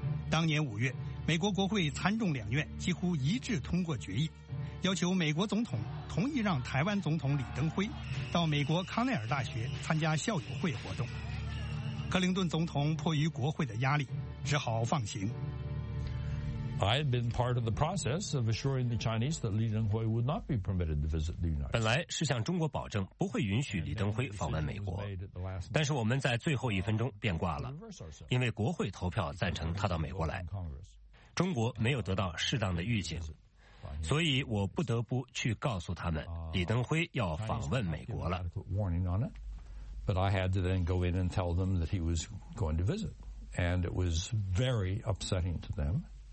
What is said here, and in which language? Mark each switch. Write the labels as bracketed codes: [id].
[zh] 当年5月，美国国会参众两院几乎一致通过决议，要求美国总统同意让台湾总统李登辉到美国康奈尔大学参加校友会活动。克林顿总统迫于国会的压力，只好放行。 [en] I had been part of the process of assuring the Chinese that Li Denghui would not be permitted to visit the United States. [zh] 本来是向中国保证不会允许李登辉访问美国，但是我们在最后一分钟变卦了，因为国会投票赞成他到美国来，中国没有得到适当的预警，所以我不得不去告诉他们李登辉要访问美国了。 [en] But I had to then go in and tell them that he was going to visit, and it was very upsetting to them.